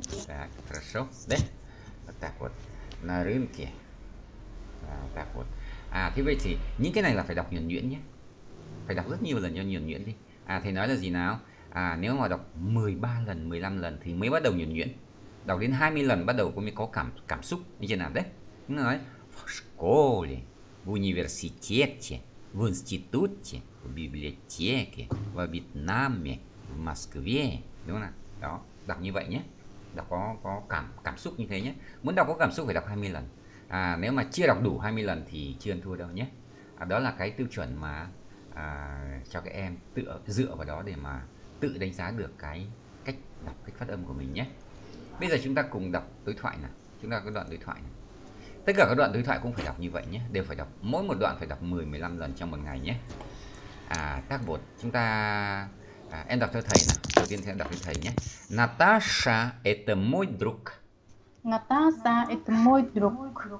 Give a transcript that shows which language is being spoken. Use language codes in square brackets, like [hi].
[ru] Так, хорошо. Да? Вот так вот. На рынке. Так вот. [vi] À thế vậy thì những cái này là phải đọc nhuần nhuyễn nhé. Phải đọc rất nhiều lần cho nhuần nhuyễn đi. À thầy nói là gì nào? À nếu mà đọc 13 lần, 15 lần thì mới bắt đầu nhuần nhuyễn. Đọc đến 20 lần bắt đầu cô mới có cảm cảm xúc như thế nào đấy. Nó nói [ru] в школе, в университете, в институте, в библиотеке, в Вьетнаме, в Москве. [vi] Đúng không nào? Đó, đọc như vậy nhé. Đọc có cảm xúc như thế nhé. Muốn đọc có cảm xúc phải đọc 20 lần. À, nếu mà chưa đọc đủ 20 lần thì chưa ăn thua đâu nhé. À, đó là cái tiêu chuẩn mà cho các em dựa vào đó để mà tự đánh giá được cái cách đọc, cách phát âm của mình nhé. Bây giờ chúng ta cùng đọc đối thoại nào. Chúng ta có đoạn đối thoại nào. Tất cả các đoạn đối thoại cũng phải đọc như vậy nhé. Đều phải đọc, mỗi một đoạn phải đọc 10-15 lần trong một ngày nhé. À, tác bột, chúng ta... À, em đọc cho thầy nào. Đầu tiên em đọc cho thầy nhé. [ru] Natasha это мой друг. Natasha это мой друг.